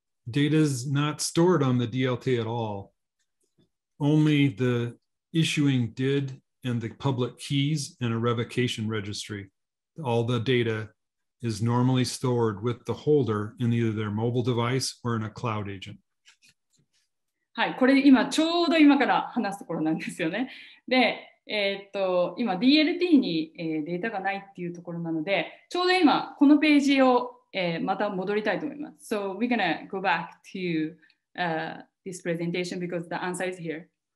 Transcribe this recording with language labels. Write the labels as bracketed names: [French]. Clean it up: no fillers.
[English] Data is not stored on the DLT at all. Only the issuing DID and the public keys and a revocation registry. All the data is normally stored with the holder in either their mobile device or in a cloud agent. [Japanese] はい、これ今ちょうど今から話すところなんですよね。で、今 DLT に、データがないっていうところなので、ちょうど今このページをまた戻りたいと思います。 [English] So we're gonna go back to this presentation because the answer is here.